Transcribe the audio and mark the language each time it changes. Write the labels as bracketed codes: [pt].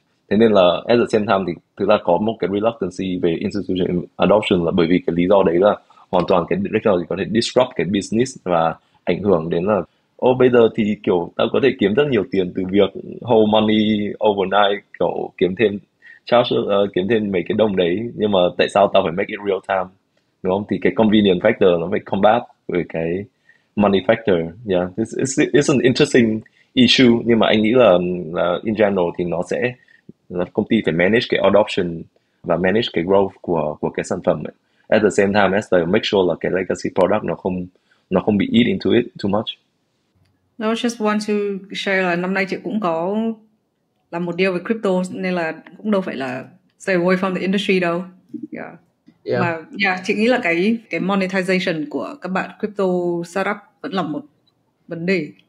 [vi] Thế nên là at the same time thì thực ra có một cái reluctancy về institution adoption là bởi vì cái lý do đấy là hoàn toàn cái technology có thể disrupt cái business và ảnh hưởng đến là ô bây giờ thì kiểu tao có thể kiếm rất nhiều tiền từ việc [en] hold money overnight, [vi] kiểu kiếm thêm charge, kiếm thêm mấy cái đồng đấy, nhưng mà tại sao tao phải [en] make it real time, [vi] đúng không? Thì cái [en] convenience factor [vi] nó phải combat với cái [en] money factor. Yeah, it's an interesting issue, [vi] nhưng mà anh nghĩ là [en] in general [vi] thì nó sẽ là công ty phải manage cái adoption và manage cái growth của cái sản phẩm ấy. [en] At the same time as they make sure [vi] là cái [en] legacy product [vi] nó không bị [en] eat into it too much. No, just want to share [vi] là năm nay chị cũng có làm một deal về crypto nên là cũng đâu phải là [en] stay away from the industry [vi] đâu. Mà chị nghĩ là cái monetization của các bạn crypto startup vẫn là một vấn đề.